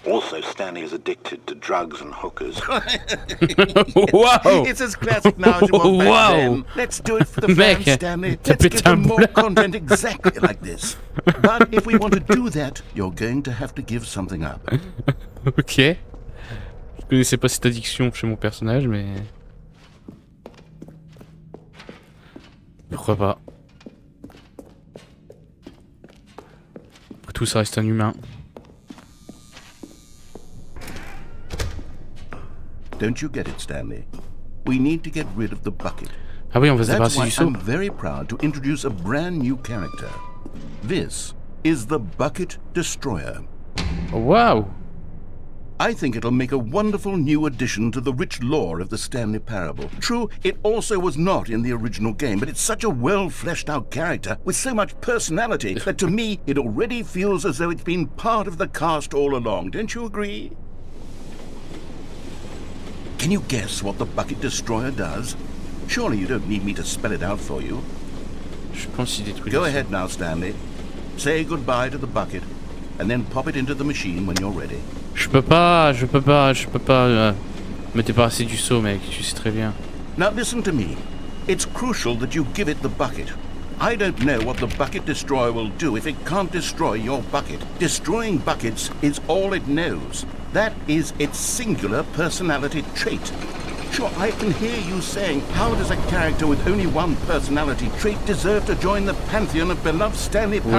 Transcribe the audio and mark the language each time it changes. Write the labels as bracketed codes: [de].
[en] Also, Stanley is addicted to drugs and hookers. Wow! It's as classic now as it was back then. Let's do it for the fans, Stanley. Let's get some more content exactly like this. But if we want to do that, you're going to have to give something up. Okay. [fr] Je connaissais pas cette addiction chez mon personnage, mais... Pourquoi pas? Après tout, ça reste un humain. [en] Don't you get it, Stanley? We need to get rid of the bucket. [fr] Ah oui, on va se débarrasser du saut. [en] That's why I'm very proud to introduce a brand new character. This is the Bucket Destroyer. Oh, wow! I think it'll make a wonderful new addition to the rich lore of the Stanley Parable. True, it also was not in the original game, but it's such a well-fleshed-out character with so much personality that to me, it already feels as though it's been part of the cast all along. Don't you agree? Can you guess what the Bucket Destroyer does? Surely you don't need me to spell it out for you. [fr] Je pense qu'il détruit [en] Go ahead now, Stanley. Say goodbye to the bucket, and then pop it into the machine when you're ready. [fr] Je peux pas me débarrasser du seau, mec, tu sais très bien. [en] Now listen to me. It's crucial that you give it the bucket. I don't know what the bucket destroyer will do if it can't destroy your bucket. Destroying buckets is all it knows. That is its singular personality trait. Sure, I can hear you saying, how does a character with only one personality trait deserve to join the pantheon of beloved Stanley Parable